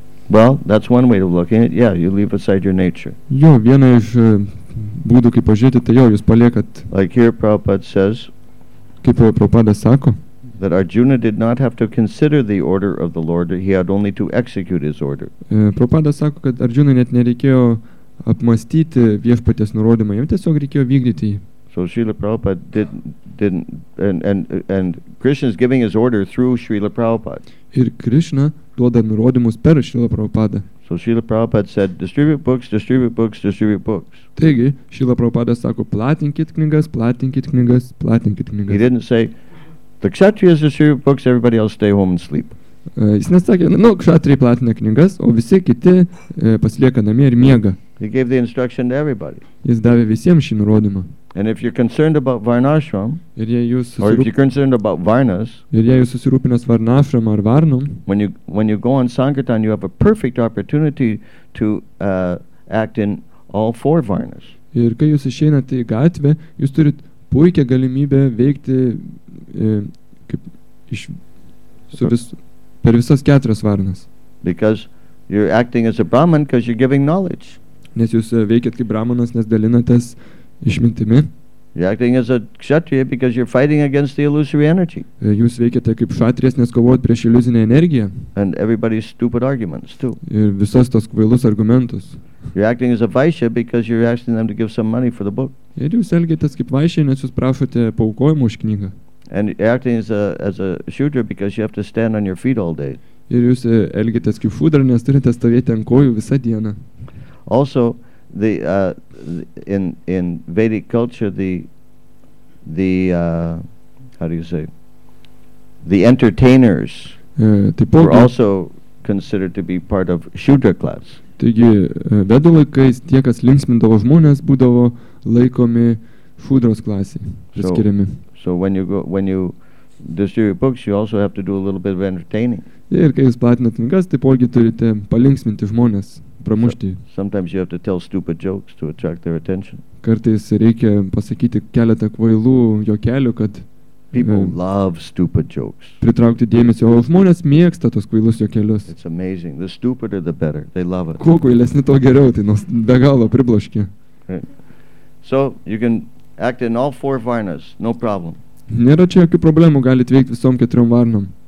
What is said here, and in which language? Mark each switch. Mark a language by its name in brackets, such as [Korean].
[English] Well, that's one way of looking at it. Yeah, you leave aside your nature. [Lithuanian] Jo, viena iš būdų, kaip pažiūrėti, tai jo, jūs paliekat. [English] Like here Prabhupada says, [Lithuanian] kaip Prabhupada sako, [English] that Arjuna did not have to consider the order of the Lord, he had only to execute his order. [Lithuanian] Prabhupada sako, kad Arjuna net nereikėjo apmastyti viešpaties nurodymą, jam tiesiog reikėjo vykdyti jį. [English] So Srila Prabhupada didn't, and Krishna is giving his order through Srila Prabhupada. [Lithuanian] Ir Krishna duoda nurodymus per Srila Prabhupada. [English] So Srila Prabhupada said, distribute books, distribute books, distribute books. [Lithuanian] Taigi, Srila Prabhupada sako, platinkit knygas, platinkit knygas, platinkit knygas. [English] He didn't say, the kshatriyas distribute books, everybody else stay home and sleep. [Lithuanian] Jis nesakė, nu, kshatriai platina knygas, o visi kiti pasilieka namie ir miega. [English] He gave the instruction to everybody. [Lithuanian] Jis davė visiems šį nurodymą. [English] And if you're concerned about Varnashram, [Lithuanian] ir jei jūs susirūpinęs Varnashram ar Varnum, [English] when you go on Sankirtan, you have a perfect opportunity to act in all four Varnas. [Lithuanian] Ir kai jūs išeinate į gatvę, jūs turit puikią galimybę veikti per visas keturias Varnas. [English] Because you're acting as a Brahman because you're giving knowledge. [Lithuanian] Nes jūs veikiat kaip Brahmanas, nes dalinatės išmintimi. [English] You're acting as a kshatriya because you're fighting against the illusory energy. [Lithuanian] Jūs veikiate kaip kshatrijas, nes kovot prieš iliuzinę energiją. [English] And everybody's stupid arguments too. [Lithuanian] Ir visos tos kvailus argumentus. [English] You're acting as a vaishya because you're asking them to give some money for the book. [Lithuanian] Ir jūs elgiatės kaip vaishya, nes jūs prašote paukojimų už knygą. [English] And you're acting as a shudra because you have to stand on your feet all day. [Lithuanian] Ir jūs elgiatės kaip šūdra, nes turite stovėti ant kojų visą dieną. [English] Also, in Vedic culture, the entertainers were also considered to be part of shudra class. [Lithuanian] Taigi, vedų laikais tie, kas linksmindavo žmonės, būdavo laikomi šūdros klasė, priskiriami. [English] So when you distribute books, you also have to do a little bit of entertaining. [Lithuanian] Ir kai jūs platinat knygas, taipogi turite palinksminti žmonės, pramušti. [English] Sometimes you have to tell stupid jokes to attract their attention. [Lithuanian] Kartais reikia pasakyti keletą kvailų jokelių, kad [English] people love stupid jokes. [Lithuanian] Pritraukti dėmesio, o žmonės mėgsta tos kvailus jokelius. [English] It's amazing. The stupider the better. They love it. [Lithuanian] Kuo kvailesni, to geriau, tai nors be galo pribloškia. [English] So you can act in all four varnas, no problem. [Lithuanian] Nėra čia jokių problemų, galit veikti visom keturiom varnom.